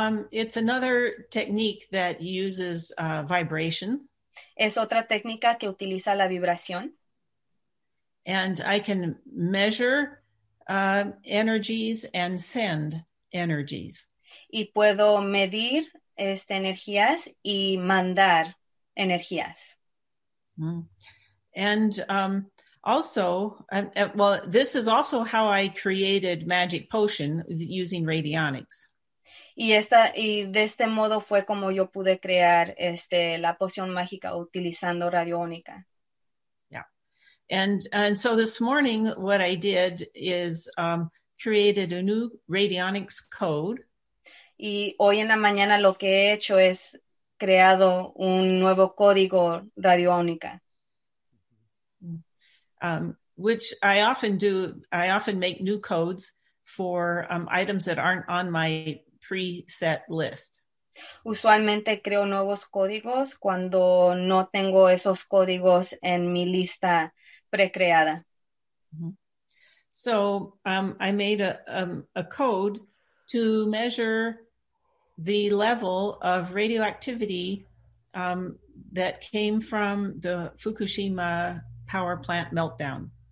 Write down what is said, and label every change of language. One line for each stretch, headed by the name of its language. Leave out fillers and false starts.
English: It's another technique that uses vibration.
Spanish: Es otra técnica que utiliza la vibración.
English: And I can measure energies and send energies.
Spanish: Y puedo medir energías y mandar energías.
English: And also, well, this is also how I created magic potion using radionics.
Spanish: Y de este modo fue como yo pude crear la poción mágica utilizando radiónica.
English: Yeah. And so this morning, what I did is created a new radionics code.
Spanish: Y hoy en la mañana lo que he hecho es creado un nuevo código radiónica.
English: Which I often do, I often make new codes for items that aren't on my preset list.
Spanish: Usualmente creo nuevos códigos cuando no tengo esos códigos en mi lista precreada. Mm-hmm.
English: So I made a code to measure the level of radioactivity that came from the Fukushima power plant meltdown.